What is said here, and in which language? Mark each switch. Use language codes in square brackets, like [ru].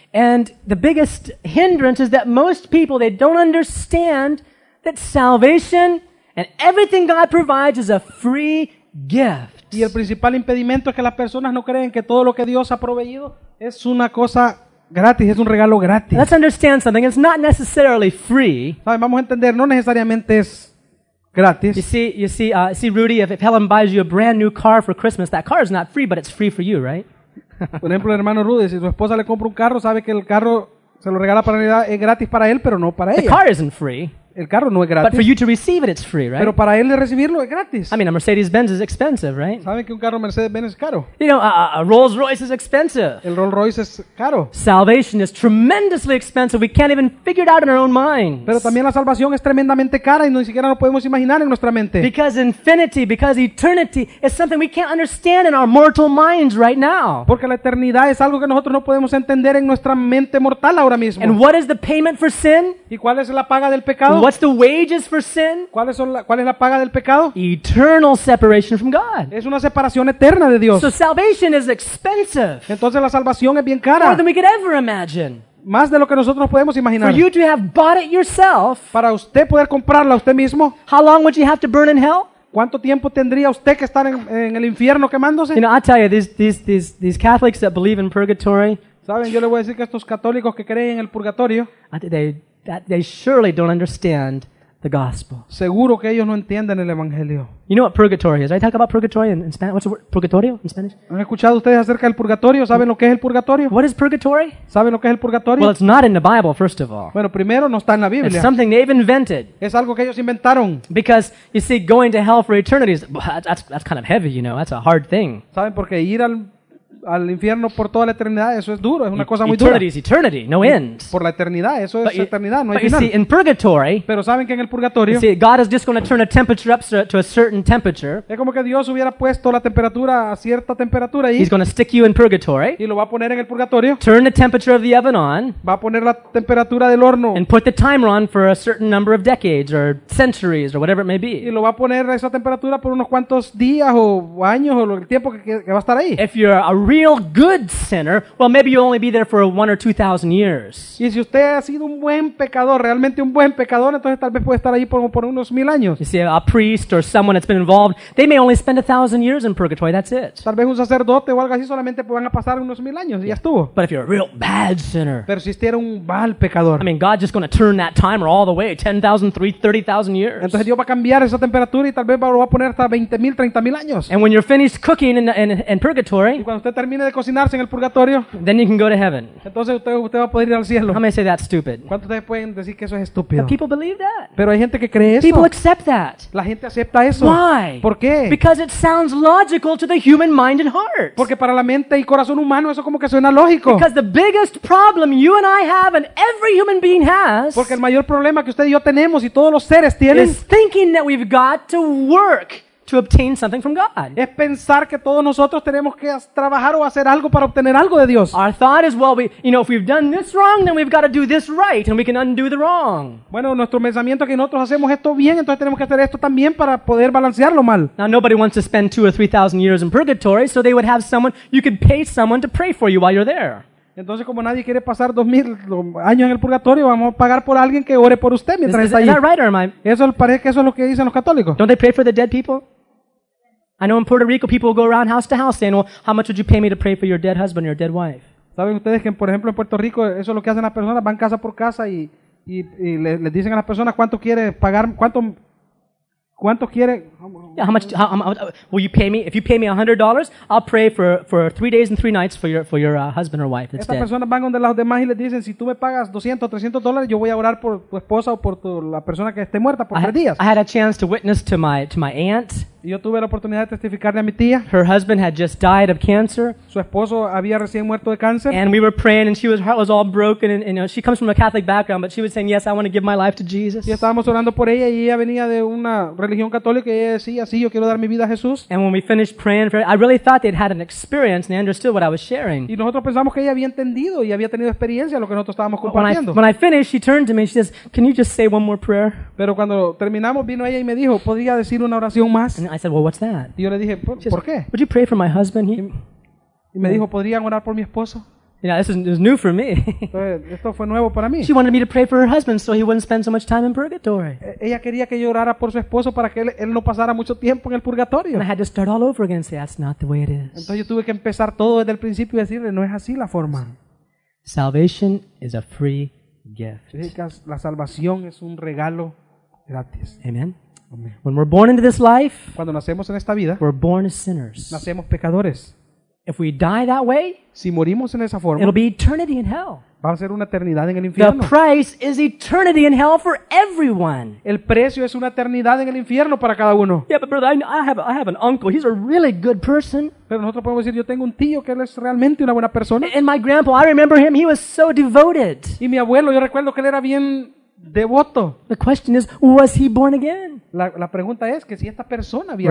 [en] And the biggest hindrance is that most people they don't understand that salvation and everything God provides is a free gift. [es] Y el principal impedimento es que las personas no creen que todo lo que Dios ha proveído es una cosa gratis, es un regalo gratis. [en] Let's understand something. It's not necessarily free. [es] ¿Sabe? Vamos a entender, no necesariamente es gratis. [en] You see, Rudy, if Helen buys you a brand new car for Christmas, that car is not free, but it's free for you, right? [es] Por ejemplo, el hermano Rudy, si su esposa le compra un carro, sabe que el carro se lo regala para ella, es gratis para él, pero no para ella. [en] The car isn't free. [es] El carro no es gratis. [en] But for you to receive it, it's free, right? [es] Pero para él de recibirlo es gratis. [en] I mean, a Mercedes-Benz is expensive, right? [es] ¿Saben que un carro Mercedes-Benz es caro? [en] You know, a Rolls-Royce is expensive. [es] El Rolls-Royce es caro. [en] Salvation is tremendously expensive. We can't even figure it out in our own minds. [es] Pero también la salvación es tremendamente cara y ni siquiera lo podemos imaginar en nuestra mente. [en] Because infinity, because eternity is something we can't understand in our mortal minds right now. [es] Porque la eternidad es algo que nosotros no podemos entender en nuestra mente mortal ahora mismo. [en] And what is the payment for sin? [es] ¿Y cuál es la paga del pecado? [en] What's the wages for sin? [es] ¿Cuál es la paga del pecado? [en] Eternal separation from God. [es] Es una separación eterna de Dios. [en] So salvation is expensive. [es] Entonces la salvación es bien cara. [en] More than we could ever imagine. [es] Más de lo que nosotros podemos imaginar. [en] For you to have bought it yourself. [es] Para usted poder comprarla usted mismo. [en] How long would you have to burn in hell? [es] ¿Cuánto tiempo tendría usted que estar en el infierno quemándose? [en] You know, I'll tell you, these Catholics that believe in purgatory. [es] ¿Saben? Yo le voy a decir que estos católicos que creen en el purgatorio. [en] That they surely don't understand the gospel. [es] Seguro que ellos no entienden el evangelio. [en] You know what purgatory is? I talk about purgatory in Spanish. What's the word? Purgatorio in Spanish? [es] ¿Han escuchado ustedes acerca del purgatorio? ¿Saben lo que es el purgatorio? [en] What is purgatory? [es] ¿Saben lo que es el purgatorio? [en] Well, it's not in the Bible, first of all. [es] Bueno, primero no está en la Biblia. [en] It's something they've invented. [es] Es algo que ellos inventaron. [en] Because you see, going to hell for eternity is that's kind of heavy, you know. That's a hard thing. [es] ¿Saben por qué ir al infierno por toda la eternidad? Eso es duro, es una cosa [en] eternity [es] muy dura. [en] Eternity is eternity, no end. [es] Por la eternidad, eso [en] but [es] es eternidad, no hay final. [en] See, in purgatory, [es] pero saben que en el purgatorio, [en] see, God is just going to turn a temperature up to a certain temperature. [es] Es como que Dios hubiera puesto la temperatura a cierta temperatura ahí. [en] He's going to stick you in purgatory. [es] Y lo va a poner en el purgatorio. [en] Turn the temperature of the oven on. [es] Va a poner la temperatura del horno. [en] And put the timer on for a certain number of decades or centuries or whatever it may be. [es] Y lo va a poner a esa temperatura por unos cuantos días o años o el tiempo que va a estar ahí. [en] If you're a real good sinner, well, maybe you'll only be there for 1,000 or 2,000 years. [es] Y si usted ha sido un buen pecador, realmente un buen pecador, entonces tal vez puede estar allí por unos 1,000 años. [en] You see, a priest or someone that's been involved, they may only spend 1,000 years in purgatory. That's it. [es] Tal vez un sacerdote o algo así solamente van a pasar unos 1,000 años y ya estuvo. [en] But if you're a real bad sinner, [es] pero si usted era un mal pecador, [en] I mean, God's just going to turn that timer all the way 10,000, 30,000 years. [es] Entonces Dios va a cambiar esa temperatura y tal vez lo va a poner hasta 20,000, 30,000 años. [en] And when you're finished cooking in purgatory, [es] termine de cocinarse en el purgatorio, [en] then you can go to heaven. [es] Entonces usted va a poder ir al cielo. [en] How many say that's stupid? [es] ¿Cuántos ustedes pueden decir que eso es estúpido? [en] But people believe that. [es] Pero hay gente que cree eso. [en] People accept that. [es] La gente acepta eso. [en] Why? [es] ¿Por qué? [en] Because it sounds logical to the human mind and heart. [es] Porque para la mente y corazón humano eso como que suena lógico. [en] Because the biggest problem you and I have and every human being has, [es] porque el mayor problema que usted y yo tenemos y todos los seres tienen, [en] is thinking that we've got to work to obtain something from God. [es] Es pensar que todos nosotros tenemos que trabajar o hacer algo para obtener algo de Dios. [en] Our thought is, well, if we've done this wrong, then we've got to do this right, and we can undo the wrong. [es] Bueno, nuestro pensamiento es que nosotros hacemos esto bien, entonces tenemos que hacer esto también para poder balancear lo mal. [en] Now, nobody wants to spend 2,000 or 3,000 years in purgatory, so they would have someone, you could pay someone to pray for you while you're there. [es] Entonces, como nadie quiere pasar 2,000 años en el purgatorio, vamos a pagar por alguien que ore por usted mientras está allí. [en] Is that right, or am I? [es] Eso parece que eso es lo que dicen los católicos. [en] Don't they pray for the dead people? I know in Puerto Rico people go around house to house saying, "Well, how much would you pay me to pray for your dead husband or your dead wife?" [es] ¿Saben ustedes que, por ejemplo, en Puerto Rico eso es lo que hacen las personas, van casa por casa y les dicen a las personas cuánto quiere pagar, cuánto quiere? [en] Yeah, how much will you pay me? If you pay me $100, I'll pray for 3 days and 3 nights for your husband or wife that's dead. [es] Estas personas van donde las demás y les dicen, si tú me pagas $200, $300, yo voy a orar por tu esposa o por la persona que esté muerta por 3 días. [en] I had a chance to witness to my aunt. [es] Yo tuve la oportunidad de testificarle a mi tía. [en] Her husband had just died of cancer. [es] Su esposo había recién muerto de cáncer. [en] And we were praying, and her heart was all broken. And you know, she comes from a Catholic background, but she was saying, "Yes, I want to give my life to Jesus." [es] Y estábamos orando por ella, y ella venía de una religión católica, y ella decía, "Sí, yo quiero dar mi vida a Jesús." [en] And when we finished praying for her, I really thought they'd had an experience and they understood what I was sharing. [es] Y nosotros pensamos que ella había entendido y había tenido experiencia lo que nosotros estábamos compartiendo. [en] When I finished, she turned to me and she says, "Can you just say one more prayer?" [es] Pero cuando terminamos, vino ella y me dijo, "¿Podría decir una oración más?" [en] I said, "Well, what's that?" [es] Y yo le dije, ¿por qué? [en] Would you pray for my husband? [es] Y me dijo, ¿podrían orar por mi esposo? [en] Yeah, this is new for me. [es] Esto fue nuevo para mí. [en] She wanted me to pray for her husband so he wouldn't spend so much time in purgatory. [es] Ella quería que yo orara por su esposo para que él no pasara mucho tiempo en el purgatorio. [en] And I had to start all over again and say, that's not the way it is. [es] Entonces yo tuve que empezar todo desde el principio y decirle, no es así la forma. [en] Salvation is a free gift. [es] La salvación es un regalo gratis. [en] Amen. When we're born into this life, [es] cuando nacemos en esta vida, [en] we're born as sinners. [es] Nacemos pecadores. [en] If we die that way, [es] si morimos en esa forma, [en] it'll be eternity in hell. [es] Va a ser una eternidad en el infierno. [en] The price is eternity in hell for everyone. [es] El precio es una eternidad en el infierno para cada uno. [en] Yeah, but brother, I have an uncle. He's a really good person. [es] Pero nosotros podemos decir, yo tengo un tío que él es realmente una buena persona. [en] And my grandpa, I remember him. He was so devoted. [es] Y mi abuelo, yo recuerdo que él era bien devoto. [en] The question is, was he born again? [es] La pregunta es que si esta persona había